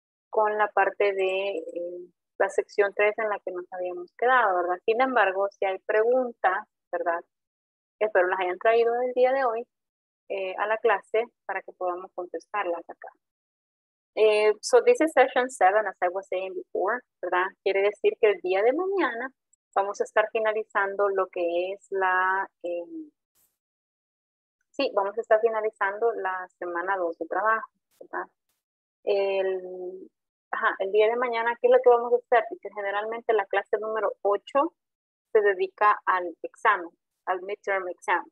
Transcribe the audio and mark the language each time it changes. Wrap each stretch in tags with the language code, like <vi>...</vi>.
<es>Con la parte de la sección 3 en la que nos habíamos quedado, ¿verdad? Sin embargo, si hay preguntas, ¿verdad? Espero las hayan traído el día de hoy a la clase para que podamos contestarlas acá.</es> <en>So this is session 7, as I was saying before, ¿verdad?</en> <es>Quiere decir que el día de mañana vamos a estar finalizando lo que es la... sí, vamos a estar finalizando la semana 2 de trabajo, ¿verdad? El día de mañana, ¿qué es lo que vamos a hacer? Porque generalmente la clase número 8 se dedica al examen, al midterm exam.</es>